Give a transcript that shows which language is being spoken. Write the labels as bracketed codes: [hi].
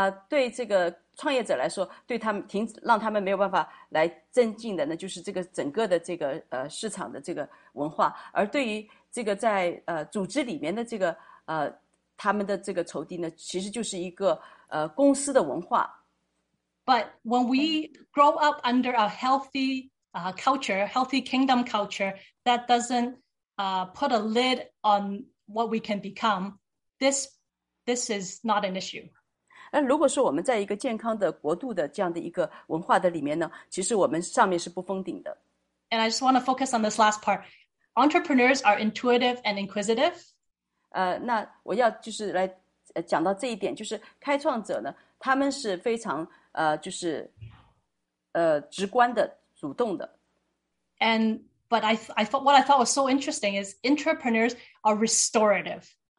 [zh] 对这个。创业者来说，对他们让他们没有办法来增进的呢，就是这个整个的这个市场的这个文化。而对于这个在组织里面的这个他们的这个仇敌呢，其实就是一个公司的文化。 [en] But when we grow up under a healthy culture, healthy kingdom culture, that doesn't put a lid on what we can become. This is not an issue. [zh] 那如果说我们在一个健康的国度的这样的一个文化的里面呢，其实我们上面是不封顶的。 [en] And I just want to focus on this last part. Entrepreneurs are intuitive and inquisitive. [zh] 那我要就是来讲到这一点，就是开创者呢，他们是非常就是直观的、主动的。 [en] And but I thought what I thought was so interesting is entrepreneurs are restorative.